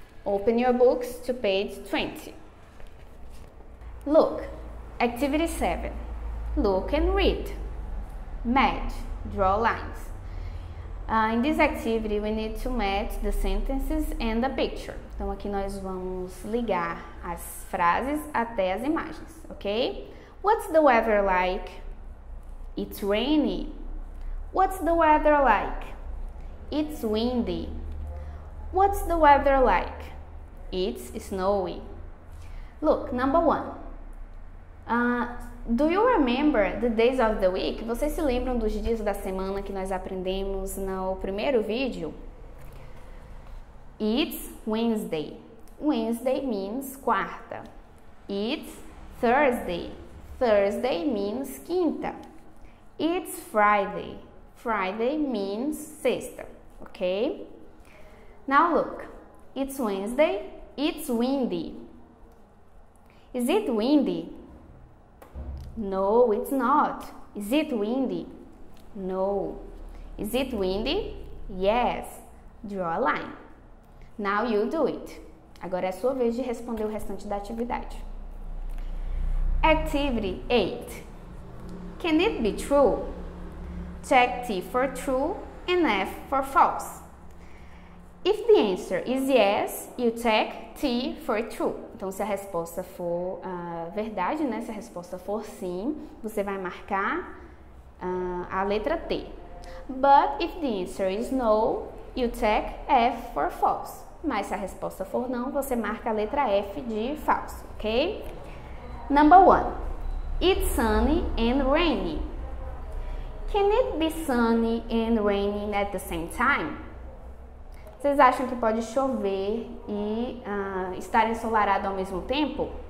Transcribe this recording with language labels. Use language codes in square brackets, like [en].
[en] Open your books to page 20. Look, activity 7. Look and read. Match, draw lines. In this activity, we need to match the sentences and the picture. [pt] Então, aqui nós vamos ligar as frases até as imagens, ok? [en] What's the weather like? It's rainy. What's the weather like? It's windy. What's the weather like? It's snowy. Look, number one. Do you remember the days of the week? [pt] Vocês se lembram dos dias da semana que nós aprendemos no primeiro vídeo? [en] It's Wednesday. Wednesday means quarta. It's Thursday. Thursday means quinta. It's Friday. Friday means sexta. Okay? Now look. It's Wednesday. It's windy. Is it windy? No, it's not. Is it windy? No. Is it windy? Yes. Draw a line. Now you do it. [pt] Agora é a sua vez de responder o restante da atividade. [en] Activity 8. Can it be true? Check T for true and F for false. If the answer is yes, you check T for true. [pt] Então, se a resposta for verdade, né? Se a resposta for sim, você vai marcar a letra T. [en] But if the answer is no, you check F for false. [pt] Mas se a resposta for não, você marca a letra F de falso, ok? [en] Number one. It's sunny and rainy. Can it be sunny and raining at the same time? [pt] Vocês acham que pode chover e estar ensolarado ao mesmo tempo?